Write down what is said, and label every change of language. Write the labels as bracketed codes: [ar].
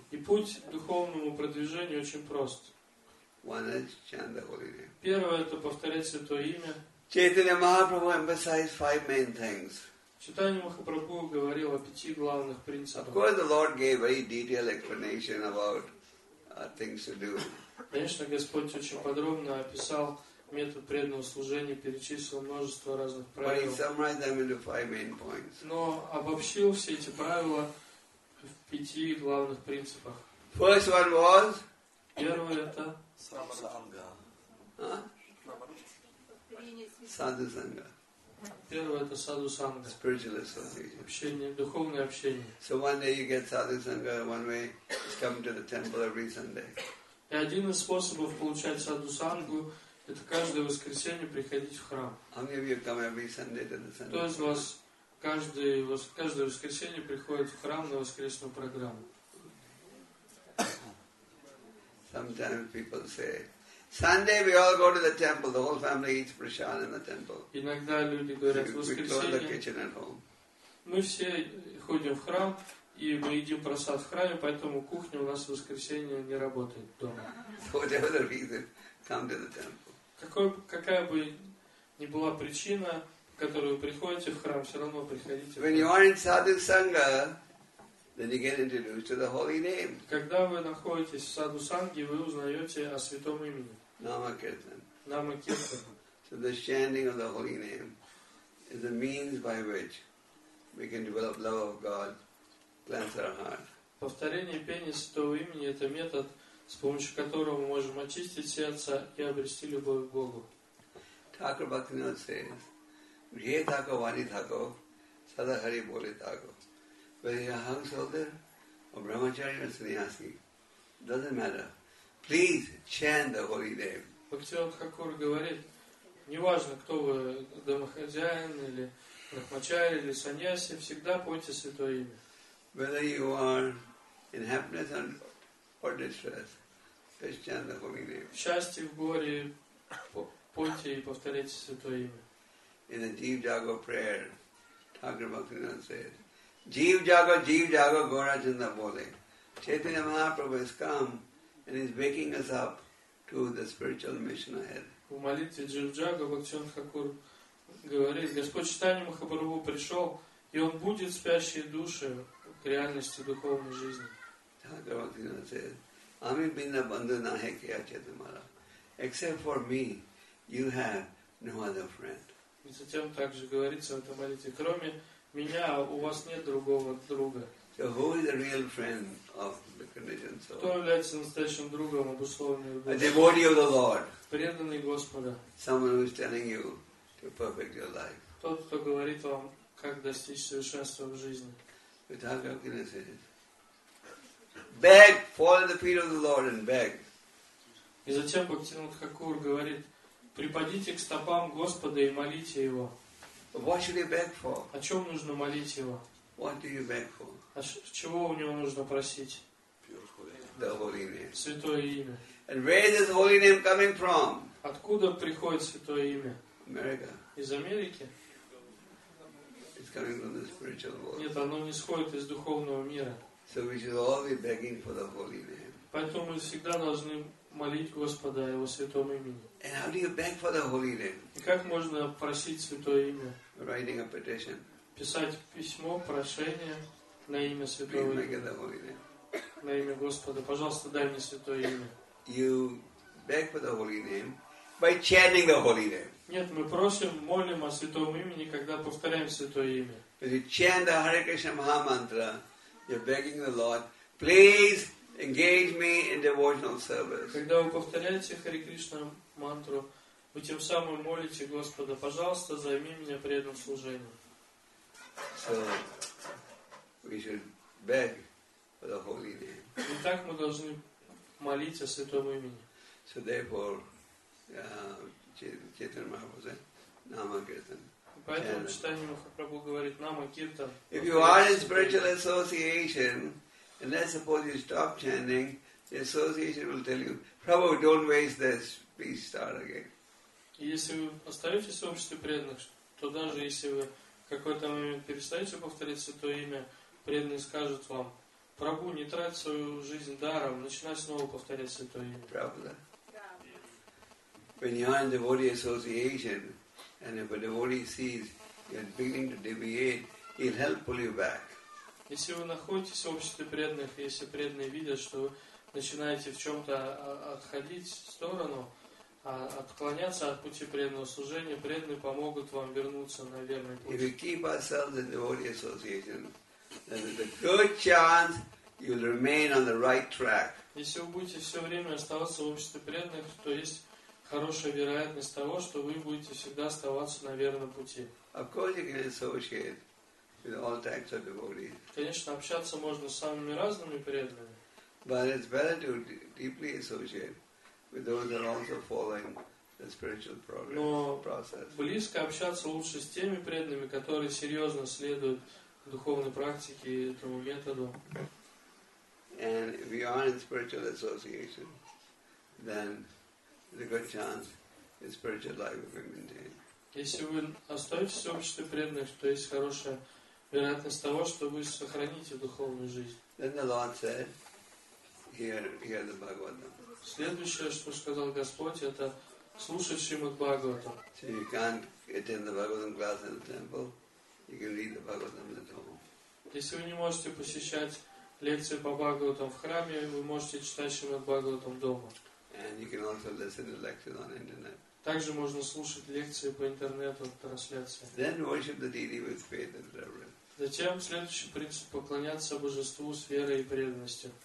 [ru] И путь к духовному продвижению очень прост. [en] One is chant the holy name. [ru] Первое — это повторять святое имя. [en] Chaitanya Mahaprabhu emphasized five main things. [ru] Чайтанья Махапрабху говорил о пяти главных принципах. [en] Of course, the Lord gave very detailed explanation about things to do. [ru] Конечно, Господь очень подробно описал метод преданного служения, перечислил множество разных правил. Но обобщил все эти правила в пяти главных принципах. [en] First one was? [ru] Первое — это Самарусанга. Садусанга. Первое — это садусанга. [en] Spiritual association. [ru] Общение, духовное общение. [en] So one day you get садусанга, one way is coming to the temple every Sunday. [ru] И один из способов получать садусангу — это каждое воскресенье приходить в храм. [en] How many of you come every Sunday to the Sunday? [ru] Кто из вас каждое воскресенье приходит в храм на воскресную программу? [en] Sometimes people say, Sunday we all go to the temple, the whole family eats prasad in the temple. [ru] Иногда люди говорят, воскресенье, [en] we close the kitchen at home. [ru] Мы все ходим в храм, и мы едим прасад в храме, поэтому кухня у нас в воскресенье не работает дома. [en] So whatever the reason, come to the temple. [ru] Какая бы ни была причина, по которой вы приходите в храм, все равно приходите. [en] When you are in sadhu sangha, then you get introduced to the holy name. [ru] Когда вы находитесь в саду санги, вы узнаете о святом имени. Намакиртан. Намакиртан. [en] So the chanting of the holy name is a means by which we can develop love of God, cleanse our heart. [ru] Повторение пения святого имени — это метод, с помощью которого мы можем очистить сердце и обрести любовь к Богу. [en] Thakur Bhaktivinoda says, [bn] Grihe thako vani thako, sada hari bole thako. [en] Whether you're a householder or brahmachari or sannyasi, doesn't matter. Please chant the holy name. [ru] Bhaktivinoda Thakur говорит, неважно, кто вы, домохозяин или брахмачари или саньяси, всегда пойте святое имя. [en] Whether you are in happiness or distress, just chant the holy name. [ru] Счастье, в горе, пойте и повторяйте святое имя. [en] In the Jeev Jago prayer, Thakur Bhaktivinoda said, [bn] Jeev Jago, Jeev Jago, Gaurachanda Bole. [en] Chaitanya Mahaprabhu has come and is waking us up to the spiritual mission ahead. [ru] В молитве Jeev Jago Bhaktivinoda Thakur говорит, Господь Чайтанья Махапрабху пришел, и Он будет спящие души к реальности духовной жизни. [en] Thakur Bhaktivinoda said, [bn] Ami bina bandhu nahe kya chetumara. [en] Except for me, you have no other friend. [ru] И затем также говорится в этой молитве, кроме меня у вас нет другого друга. [en] So who is the real friend of the conditioned soul? [ru] Кто является настоящим другом обусловленной души? [en] A devotee of the Lord. [ru] Преданный Господа. [en] Someone who is telling you to perfect your life. [ru] Тот, кто говорит вам, как достичь совершенства в жизни. [en] But how can I say it? beg, fall at the feet of the Lord and beg. [ru] И затем Бхактивинод Хакур говорит: «Припадите к стопам Господа и молите Его». [en] What should you beg for? [ru] О чем нужно молить Его? [en] What do you beg for? [ru] Чего у Него нужно просить? [en] The holy name. [ru] Святое имя. [en] And where is this holy name coming from? [ru] Откуда приходит святое имя? [en] America. [ru] Из Америки? [en] It's coming from the spiritual world. [ru] Нет, оно не исходит из духовного мира. [en] So we should all be begging for the holy name. [ru] Поэтому мы всегда должны молить Господа о Его святом имени. [en] And how do you beg for the holy name? [ru] И как можно просить святое имя? [en] Writing a petition. [ru] Писать письмо, прошение на имя святого имени. [en] Please make the holy name. [ru] На имя Господа, пожалуйста, дай мне святое имя. [en] You beg for the holy name by chanting the holy name. [ru] Нет, мы просим, молим о святом имени, когда повторяем святое имя. [en] If you chant the Hare Krishna Maha Mantra, you're begging the Lord, please engage me in devotional service. [ru] Когда вы повторяете Хари Кришна мантру, вы тем самым молите Господа, пожалуйста, займи меня преданным служением. [en] So we should beg for the holy name. [ru] Итак, мы должны молиться о святом имени. [en] So therefore, Chaitanya Mahaprabhu said, Nama Kirtan. [ru] Поэтому Читание Махапрабху говорит Нама Киртан. [en] If you are in spiritual association, and let's suppose you stop chanting, the association will tell you, Prabhu, don't waste this, please start again. [ru] Если вы остаетесь в обществе преданных, то даже если вы какой-то момент перестаете повторять святое имя, преданные скажут вам, Прабу, не трать свою жизнь даром, начинай снова повторять святое имя. Правда. [en] When you are in devotee association, and if a devotee sees you're beginning to deviate, he'll help pull you back. [ru] Если вы находитесь в обществе преданных, если преданные видят, что вы начинаете в чем-то отходить в сторону, отклоняться от пути преданного служения, преданные помогут вам вернуться на верный путь. [en] If you keep ourselves in devotee association, then there's a good chance you'll remain on the right track. [ru] Если вы будете все время оставаться в обществе преданных, то есть хорошая вероятность того, что вы будете всегда оставаться на верном пути. [en] Of course you can associate with all types of devotees. [ru] Конечно, общаться можно с самыми разными преданными. [en] But it's better to deeply associate with those that are also following the spiritual process. [ru] Но близко общаться лучше с теми преданными, которые серьезно следуют духовной практике и этому методу. [en] And if you are in spiritual association, then there's a good chance your spiritual life will be maintained. [ru] Если вы остаетесь в обществе преданных, то есть хорошая вероятность того, что вы сохраните духовную жизнь. [en] Then the Lord said, hear the Bhagavatam. [ru] Следующее, что сказал Господь, это слушать Шримад Бхагаватам. [en] So you can't attend the Bhagavatam class in the temple. You can read the Bhagavatam at home. [ru] Если вы не можете посещать лекции по Бхагаватам в храме, вы можете читать Шримад Бхагаватам дома. [en] And you can also listen to lectures on internet. [ru] Также можно слушать лекции по интернету, трансляции. [en] Then worship the deity with faith and reverence. [ru] Затем следующий принцип – поклоняться Божеству с верой и преданностью.